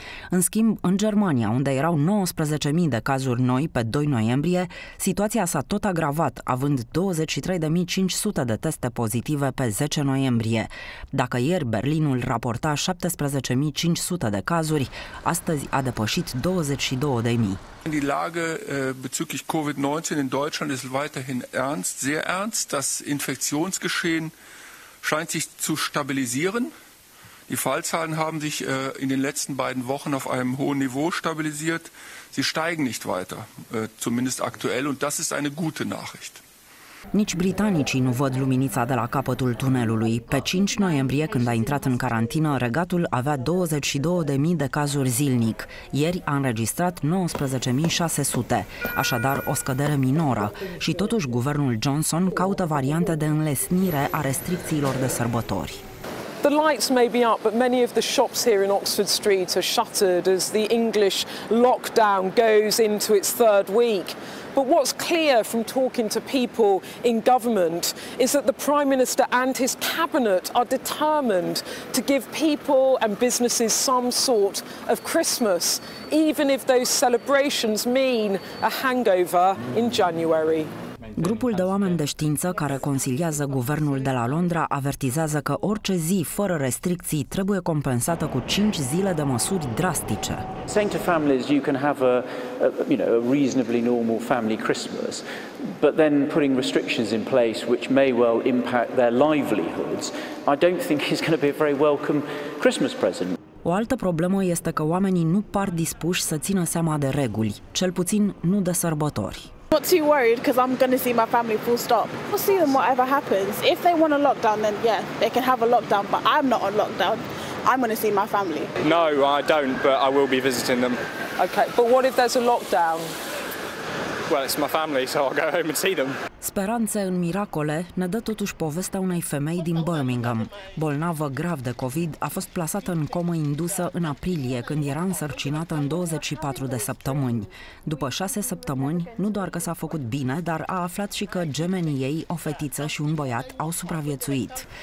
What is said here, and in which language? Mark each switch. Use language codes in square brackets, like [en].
[ro] În schimb, în Germania, unde erau 19.000 de cazuri noi pe 2 noiembrie, situația s-a tot agravat, având 23.500 de teste pozitive pe 10 noiembrie. Dacă ieri Berlinul raporta 17.500 de cazuri, astăzi a depășit 22.000. [de] Die Lage bezüglich Covid-19 in Deutschland ist weiterhin ernst, sehr ernst. Das Infektionsgeschehen scheint sich zu stabilisieren. Die Fallzahlen haben sich in den letzten beiden Wochen auf einem hohen Niveau stabilisiert. Sie steigen nicht weiter, zumindest aktuell, und das ist eine gute Nachricht. [ro] Nici britanicii nu văd luminița de la capătul tunelului. Pe 5 noiembrie, când a intrat în carantină, regatul avea 22.000 de cazuri zilnic. Ieri a înregistrat 19.600, așadar o scădere minoră. Și totuși, guvernul Johnson caută variante de înlesnire a restricțiilor de sărbători. [en] The lights may be up, but many of the shops here in Oxford Street are shuttered as the English lockdown goes into its third week. But what's clear from talking to people in government is that the Prime Minister and his cabinet are determined to give people and businesses some sort of Christmas, even if those celebrations mean a hangover in January. [ro] Grupul de oameni de știință care consiliază guvernul de la Londra avertizează că orice zi fără restricții trebuie compensată cu 5 zile de măsuri drastice. [en] Saying to families you can have a reasonably normal family Christmas, but then putting restrictions in place which may well impact their livelihoods, I don't think is going to be a very welcome Christmas present. [ro] O altă problemă este că oamenii nu par dispuși să țină seama de reguli, cel puțin nu de sărbători. [en] Not too worried because I'm going to see my family full stop. We'll see them whatever happens. If they want a lockdown, then yeah, they can have a lockdown, but I'm not on lockdown. I'm going to see my family. No, I don't, but I will be visiting them. Okay, but what if there's a lockdown? Well, it's my family, so I'll go home and see them. [ro] Speranțe în miracole ne dă totuși povestea unei femei din Birmingham. Bolnavă grav de COVID, a fost plasată în comă indusă în aprilie, când era însărcinată în 24 de săptămâni. După 6 săptămâni, nu doar că s-a făcut bine, dar a aflat și că gemenii ei, o fetiță și un băiat, au supraviețuit.